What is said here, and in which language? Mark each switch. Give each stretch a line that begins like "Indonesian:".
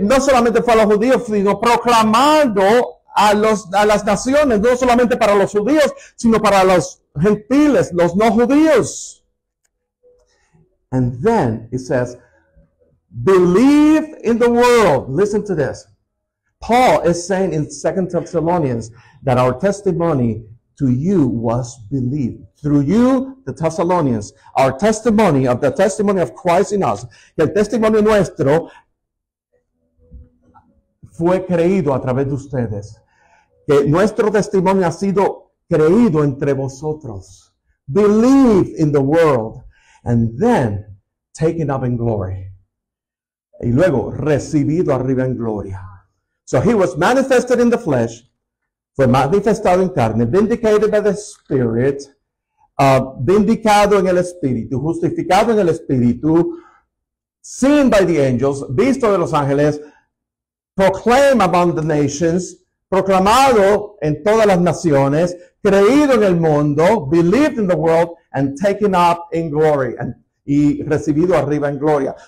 Spanish: No solamente fue a los judíos, sino proclamando a las naciones. No solamente para los judíos, sino para los gentiles, los no judíos.
English: And then it says, believe in the world. Listen to this. Paul is saying in 2 Thessalonians that our testimony to you was believed. Through you, the Thessalonians, our testimony of the testimony of Christ in us,
Spanish: el testimonio nuestro fue creído a través de ustedes. Que nuestro testimonio ha sido creído entre vosotros.
English: Believe in the world and then taken up in glory.
Spanish: Y luego recibido arriba en gloria.
English: So he was manifested in the flesh,
Spanish: fue manifestado en carne,
English: vindicated by the Spirit,
Spanish: vindicado en el Espíritu, justificado en el Espíritu,
English: seen by the angels,
Spanish: visto de los ángeles,
English: proclaimed among the nations,
Spanish: proclamado en todas las naciones, creído en el mundo,
English: believed in the world, and taken up in glory, and
Spanish: y recibido arriba en gloria.